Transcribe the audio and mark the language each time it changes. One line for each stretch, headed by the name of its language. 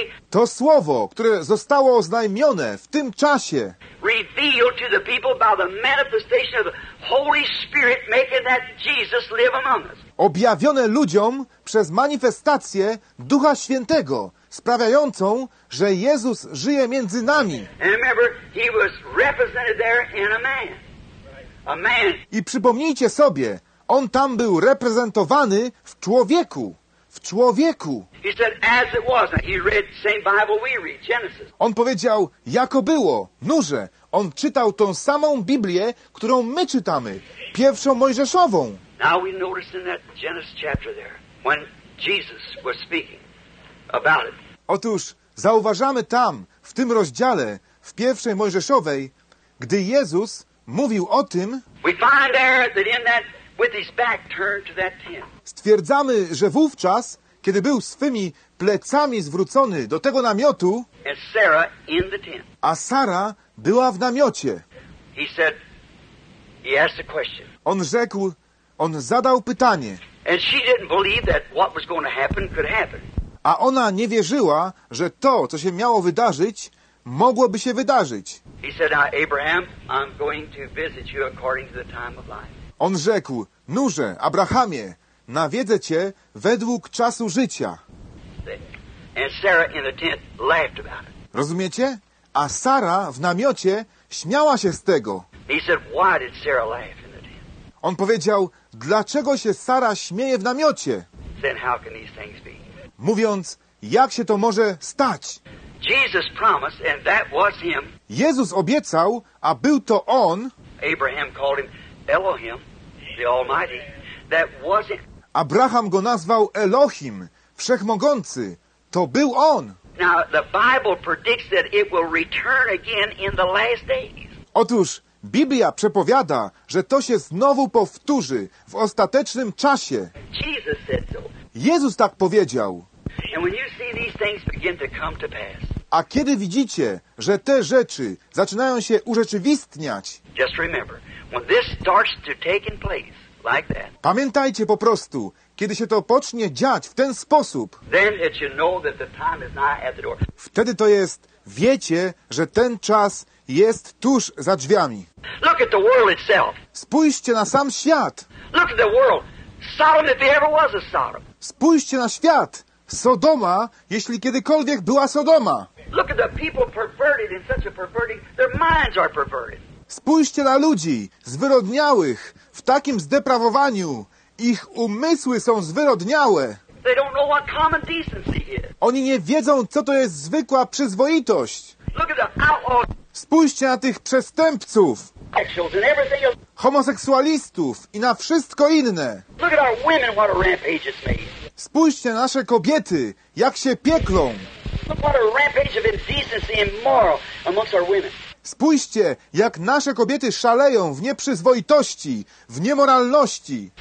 Polish: To Słowo, które zostało oznajmione w tym czasie.
English: Revealed to the people by the manifestation of the Holy Spirit making that Jesus live among us.
Polish: Objawione ludziom przez manifestację Ducha Świętego, sprawiającą, że Jezus żyje między nami.
English: And remember, he was represented there in a man. A man.
Polish: I przypomnijcie sobie, on tam był reprezentowany w człowieku. W człowieku.
English: He said, as it was. Now, he read the same Bible we read, Genesis.
Polish: On powiedział, jako było, nurze. On czytał tą samą Biblię, którą my czytamy, pierwszą Mojżeszową.
English: Now we notice in that Genesis chapter there, when Jesus was speaking about it.
Polish: Otóż zauważamy tam, w tym rozdziale, w pierwszej Mojżeszowej, gdy Jezus mówił o tym,
English: we find there that in that, with his back turned to that tent.
Polish: Stwierdzamy, że wówczas, kiedy był swymi plecami zwrócony do tego namiotu,
English: and Sarah in the tent.
Polish: A Sara była w namiocie.
English: He said, he asked a question.
Polish: On rzekł, on zadał pytanie.
English: And she didn't believe that what was going to happen could happen.
Polish: A ona nie wierzyła, że to, co się miało wydarzyć, mogłoby się wydarzyć.
English: He said, Abraham, I'm going to visit you according to the time of life.
Polish: On rzekł, nurze, Abrahamie, nawiedzę cię według czasu życia.
English: And Sarah in the tent laughed about it.
Polish: Rozumiecie? A Sara w namiocie śmiała się z tego.
English: He said, why did Sarah laugh in the tent?
Polish: On powiedział, dlaczego się Sara śmieje w namiocie?
English: Then how can these things be?
Polish: Mówiąc, jak się to może stać?
English: Jesus promised, and that was him.
Polish: Jezus obiecał, a był to On.
English: Abraham called him Elohim, the Almighty. That was him.
Polish: Abraham go nazwał Elohim, Wszechmogący. To był On.
English: Now, the Bible predicts that it will return again in the last days.
Polish: Otóż, Biblia przepowiada, że to się znowu powtórzy w ostatecznym czasie.
English: Jesus said so.
Polish: Jezus tak powiedział.
English: And when you see these things begin to come to pass,
Polish: a kiedy widzicie, że te rzeczy zaczynają się urzeczywistniać,
English: just remember, when this starts to take in place like that,
Polish: pamiętajcie po prostu, kiedy się to pocznie dziać w ten sposób,
English: then it you know that the time is nigh at the door.
Polish: Wtedy to jest, wiecie, że ten czas jest tuż za drzwiami.
English: Look at the world itself.
Polish: Spójrzcie na sam świat.
English: Look at the world. Sodom, if there ever was a Sodom.
Polish: Spójrzcie na świat. Sodoma, jeśli kiedykolwiek była Sodoma.
English: Look at the people perverted in such a perverting, their minds are perverted.
Polish: Spójrzcie na ludzi zwyrodniałych w takim zdeprawowaniu. Ich umysły są zwyrodniałe.
English: They don't know what common decency is.
Polish: Oni nie wiedzą, co to jest zwykła przyzwoitość.
English: Look at the outlaws.
Polish: Spójrzcie na tych przestępców.
English: And everything else.
Polish: Homoseksualistów i na wszystko inne.
English: Look at our women, what a rampage it's made.
Polish: Spójrzcie na nasze kobiety, jak się pieklą.
English: Look what a rampage of indecency and moral amongst our women.
Polish: Spójrzcie, jak nasze kobiety szaleją w nieprzyzwoitości, w niemoralności.